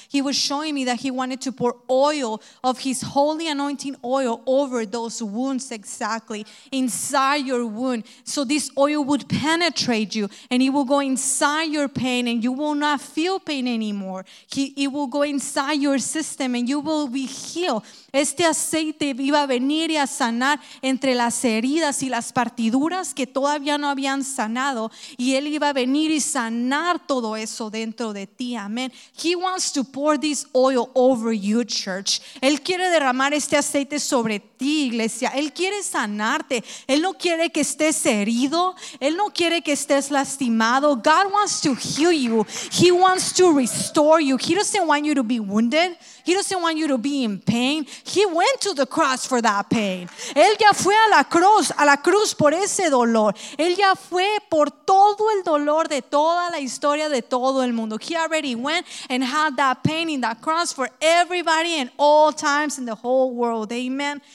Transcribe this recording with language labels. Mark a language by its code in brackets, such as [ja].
[en] He was showing me that He wanted to pour oil of His holy anointing oil over those wounds, exactly inside your wound, so this oil would penetrate you and it will go inside your pain and you will not feel pain anymore. It will go inside your system and you will be healed. [es] Este aceite iba a venir y a sanar entre las heridas y las partiduras que todavía no habían sanado, y Él iba a venir y sanar todo eso dentro de ti. Amén. [en] He wants to pour this oil over you, church. [es] Él quiere derramar este aceite sobre ti, iglesia. Él quiere sanarte. Él no quiere que estés herido. Él no quiere que estés lastimado. [en] God wants to heal you. He wants to restore you. He doesn't want you to be wounded. He doesn't want you to be in pain. He went to the cross for that pain. [es] Él ya fue a la cruz por ese dolor. Él ya fue por todo el dolor de toda la historia de todo el mundo. [en] He already went and had that pain in that cross for everybody and all times in the whole world. Amen.